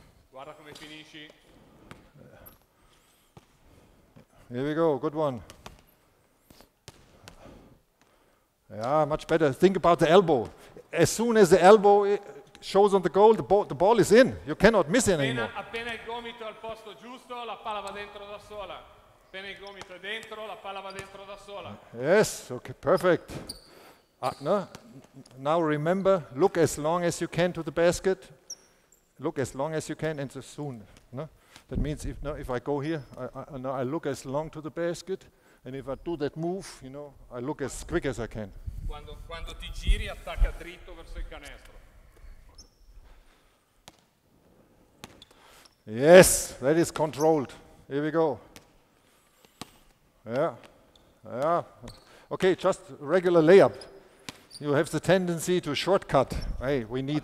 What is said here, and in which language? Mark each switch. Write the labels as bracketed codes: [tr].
[it] Guarda come finisci. [en] Here we go, good one. Yeah, much better. Think about the elbow. As soon as the elbow shows on the goal, the ball is in. You cannot miss it anymore. [it] Appena il gomito al posto giusto, la palla va dentro da sola. Appena il gomito è dentro, la palla va dentro da sola. [en] Yes, okay, perfect. No? Now remember, look as long as you can to the basket. Look as long as you can and so soon. No? That means if I go here, I look as long to the basket, and if I do that move, you know, I look as quick as I can. [it] Quando ti giri, attacca dritto verso il canestro. [en] Yes, that is controlled. Here we go. Yeah, yeah. Okay, just regular layup. You have the tendency to shortcut. Hey, we need